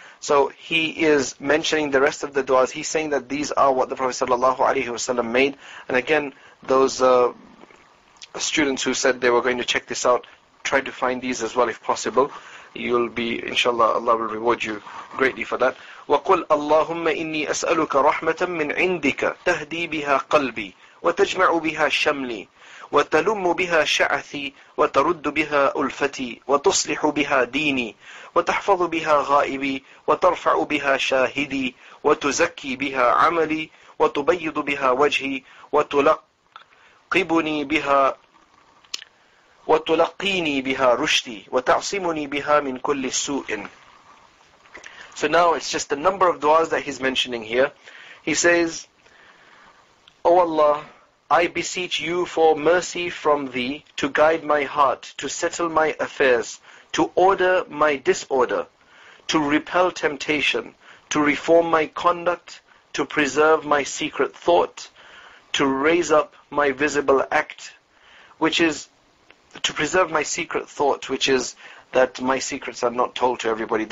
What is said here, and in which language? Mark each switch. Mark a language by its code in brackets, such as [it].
[en] So he is mentioning the rest of the du'as. He's saying that these are what the Prophet sallallahu alayhi wa sallam made. And again, those students who said they were going to check this out, try to find these as well if possible. You'll be, inshallah, Allah will reward you greatly for that. [ar] وَقُلْ أَلَّهُمَّ إِنِّي أَسْأَلُكَ رَحْمَةً مِّنْ عِنْدِكَ تَهْدِي بِهَا قَلْبِي وتجمع بها شملي وتلم بها شعثي وترد بها ألفتي وتصلح بها ديني وتحفظ بها غائبي وترفع بها شاهدي وتزكي بها عملي وتبيض بها وجهي وتلقبني بها وتلقيني بها رشدي وتعصمني بها من كل سوء. [en] So now it's just the number of du'as that he's mentioning here. He says, O Allah, I beseech you for mercy from thee to guide my heart, to settle my affairs, to order my disorder, to repel temptation, to reform my conduct, to preserve my secret thought, to raise up my visible act, which is to preserve my secret thought, which is that my secrets are not told to everybody.